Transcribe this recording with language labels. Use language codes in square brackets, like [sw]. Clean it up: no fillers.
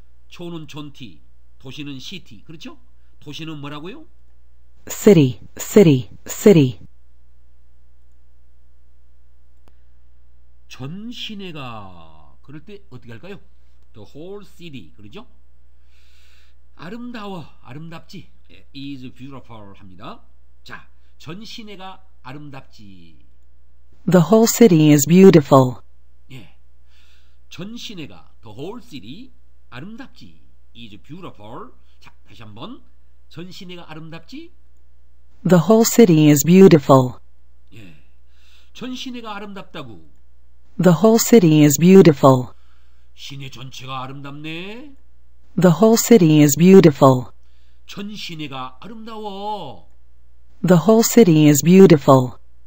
[ko] 초는 촌티, 도시는 시티. 그렇죠? 도시는 뭐라고요? [en] City, city, city. [ko] 전 시내가 그럴 때 어떻게 할까요? [en] The whole city. [ko] 그러죠? 아름다워, 아름답지. [en] Is beautiful 합니다. [ko] 자, 전 시내가 아름답지. [en] The whole city is beautiful. [ko] 예, 전 시내가 [en] the whole city [ko] 아름답지. [en] Is beautiful. [ko] 자, 다시 한번 전 시내가 아름답지. [en] The whole city is beautiful. [ko] 예, 전 시내가 아름답다고. [en] The whole city is beautiful. [ko] 시내 전체가 아름답네. [en] The whole city is beautiful. [ko] 전 시내가 아름다워. [en] The whole city is beautiful.